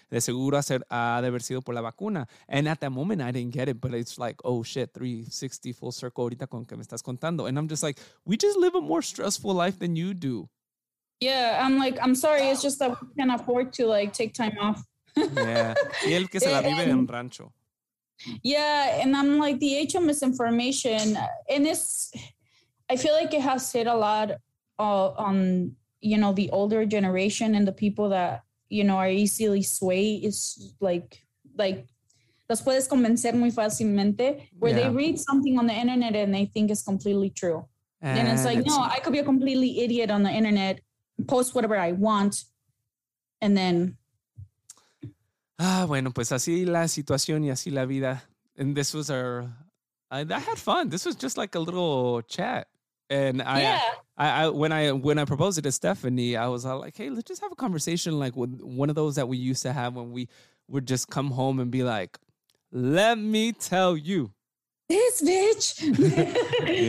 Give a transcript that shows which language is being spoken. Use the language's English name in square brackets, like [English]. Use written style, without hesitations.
[Spanish] De seguro ha de haber sido por la vacuna. [English] And at that moment, I didn't get it, but it's like, oh shit, 360 full circle [Spanish] ahorita con que me estás contando. [English] And I'm just like, we just live a more stressful life than you do. Yeah, I'm like, I'm sorry. It's just that we can't afford to like take time off. [Spanish] Yeah. Y el que se la vive en rancho. [English] Yeah, and I'm like, the age of misinformation, and it's, I feel like it has hit a lot on, you know, the older generation and the people that, you know, are easily swayed is like, [Spanish] los puedes convencer muy fácilmente, [English] where they read something on the internet and they think it's completely true. And it's like, no, I could be a completely idiot on the internet, post whatever I want, and then... [Spanish] Ah, bueno, pues así la situación y así la vida. [English] And this was I had fun. This was just like a little chat. And when I proposed it to Stephanie, I was all like, hey, let's just have a conversation like with one of those that we used to have when we would just come home and be like, let me tell you. This bitch.